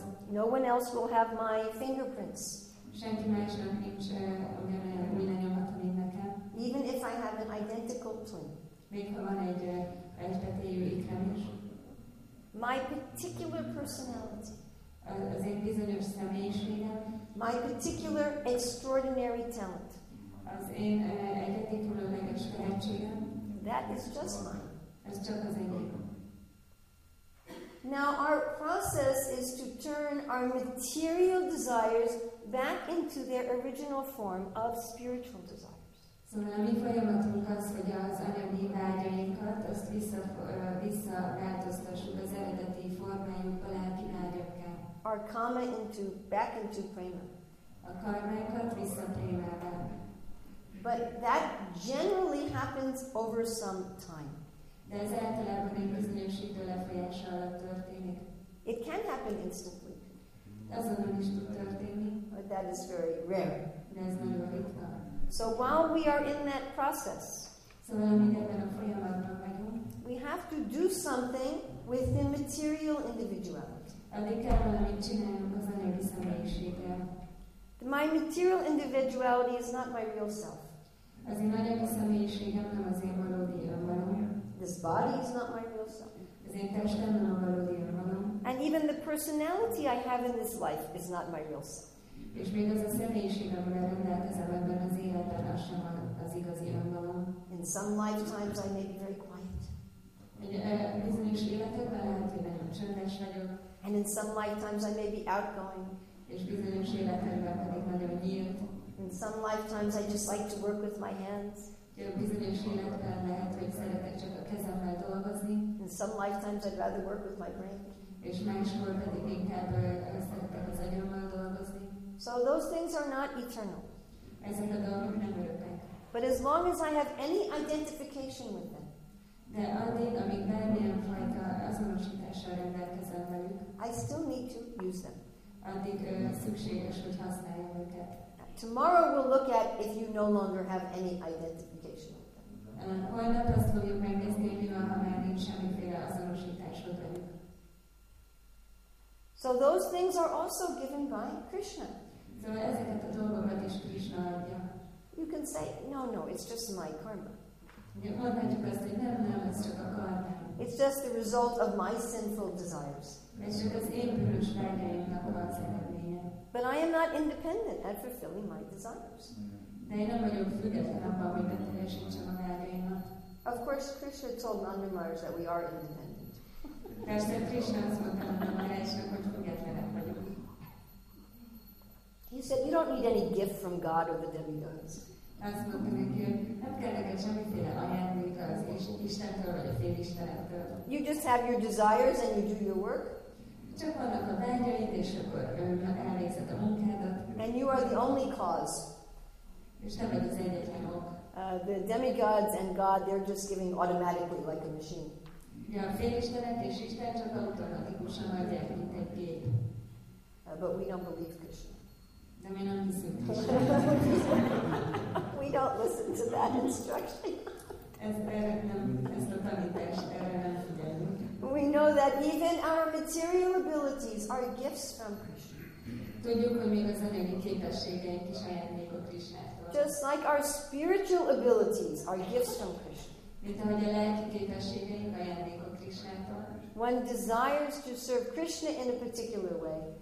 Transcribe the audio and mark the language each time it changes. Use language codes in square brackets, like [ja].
[en] No one else will have my fingerprints. Even if I have an identical twin. My particular personality. [hu] Az én bizonyos személyiségem. [en] My particular extraordinary talent. [hu] Az én egyedi különleges tehetségem. [en] That is just mine. [hu] Ez csak az enyém. [en] Now our process is to turn our material desires back into their original form of spiritual desires. [hu] Szóval a mi folyamatunk az, hogy az anyagi vágyainkat azt visszaváltoztassuk az eredeti formájukba lelki vágyakká. [en] Our karma into back into prema. [hu] A karmánkat vissza prémává. [en] But that generally happens over some time. [hu] De ez általában egy bizonyos idő lefolyása alatt történik. [en] It can happen instantly. [hu] Azonnal is tud történni. [en] But that is very rare. [hu] De ez nagyon ritka. [en] So while we are in that process, [hu] szóval mi ebben a folyamatban vagyunk, [en] we have to do something with the material individuality. [hu] Addig kell valamit csinálnunk az anyagi személyiséggel. [en] My material individuality is not my real self. [hu] Az én anyagi személyiségem nem az én valódi önmagam. [en] This body is not my real self. [hu] Az én testem nem a valódi önmagam. [en] And even the personality I have in this life is not my real self. [hu] És még az a személyiség, amivel rendelkezem ebben az életben, az sem az igazi önmagam. [en] In some lifetimes I may be very quiet. [hu] Bizonyos életekben lehet, hogy nagyon csöndes vagyok. [en] And in some lifetimes I may be outgoing. [hu] És bizonyos életemben pedig nagyon nyílt. [en] In some lifetimes I just like to work with my hands. [hu] Bizonyos életben lehet, hogy szeretek csak a kezemmel dolgozni. [en] In some lifetimes I'd rather work with my brain. [hu] És máskor pedig inkább szeretek az agyammal dolgozni. [en] So those things are not eternal. [hu] Ezek a dolgok nem örökek. [en] But as long as I have any identification with them, [hu] de addig, amíg bármilyen fajta azonosítással rendelkezem velük, [en] I still need to use them. [hu] Addig szükséges, hogy használjam őket. [en] Tomorrow we'll look at if you no longer have any identification with them. [hu] Holnap azt fogjuk megnézni, hogy mi van, ha már nincs semmiféle azonosításod velük. [en] So those things are also given by Krishna. [hu] So ezeket a dolgokat is Krishna adja. [en] You can say, no, no, it's just my karma. [hu] Mondhatjuk azt, hogy nem, nem, ez csak a karma. [en] It's just the result of my sinful desires. [hu] Ez csak az én bűnös vágyaimnak az eredménye. [en] But I am not independent at fulfilling my desires. [hu] De én nem vagyok független abban, hogy beteljesítsem a vágyaimat. [en] Of course, Krishna told Nanda Maharaj that we are independent. [hu] Persze Krishna azt mondta Maharajnak, hogy függetlenek vagyunk. [en] He said, you don't need any gift from God or the demigods. [hu] Azt mondta neki, hogy nem kell neked semmiféle ajándék az Istentől vagy a félistenektől. [en] You just have your desires and you do your work. [hu] Csak vannak a vágyaid, és akkor elvégzed a munkádat. [en] And you are the only cause. [hu] És te vagy az egyetlen ok. [en] The demigods and God, they're just giving automatically like a machine. [hu] Ja, félistenek és Isten csak automatikusan adják, mint egy gép. [en] But we don't believe Krishna. [hu] De mi nem hiszünk Krishna. [en] We don't listen to that instruction. [hu] Ez erre nem, ez a tanítás, erre nem figyelünk. [en] We know that even our material abilities are gifts from Krishna. [hu] Tudjuk, hogy még az anyagi képességeink is ajándékok Krishnától. [en] Just like our spiritual abilities are gifts from Krishna. [hu] Mint ahogy a lelki képességeink ajándékok Krishnától. [en] One desires to serve Krishna in a particular way.